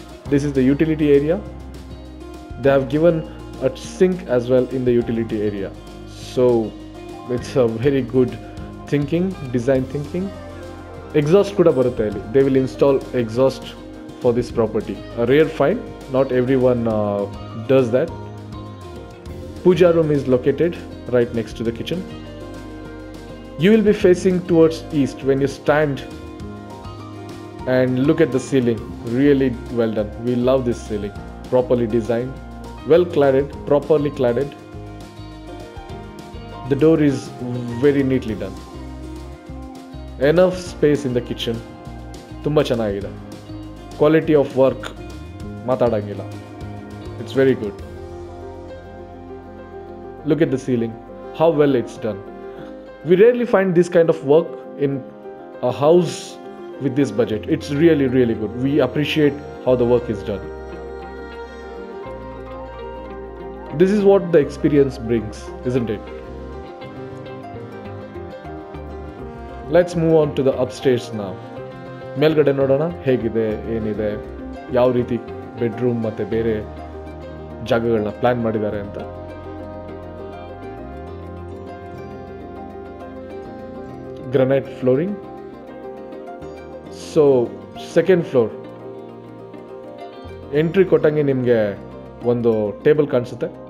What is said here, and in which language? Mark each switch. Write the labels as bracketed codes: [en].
[en] This is the utility area. They have given at sink as well in the utility area. So it's a very good thinking, design thinking. [kn] Exhaust ಕೂಡ ಬರುತ್ತೆ ಇಲ್ಲಿ. [en] They will install exhaust for this property. A rare find, not everyone does that. Puja room is located right next to the kitchen. You will be facing towards east when you stand and look at the ceiling. Really well done. We love this ceiling. Properly designed, well cladded, properly cladded. The door is very neatly done. Enough space in the kitchen. [kn] Tumba chanagide. [en] Quality of work [kn] matadangila. [en] It's very good. Look at the ceiling. How well it's done. We rarely find this kind of work in a house with this budget. It's really, really good. We appreciate how the work is done. This is what the experience brings, isn't it? Let's move on to the upstairs now. [kn] ಮೇಲ್ಗಡೆ ನೋಡೋಣ ಹೇಗಿದೆ ಏನಿದೆ ಯಾವ ರೀತಿ bedroom ಮತ್ತು ಬೇರೆ ಜಾಗಗಳನ್ನ plan ಮಾಡಿದ್ದಾರೆ ಅಂತ. Granite flooring. So second floor entry ಕೊಟ್ಟಂಗೆ ನಿಮಗೆ ಒಂದು ಟೇಬಲ್ ಕಾಣಿಸುತ್ತೆ.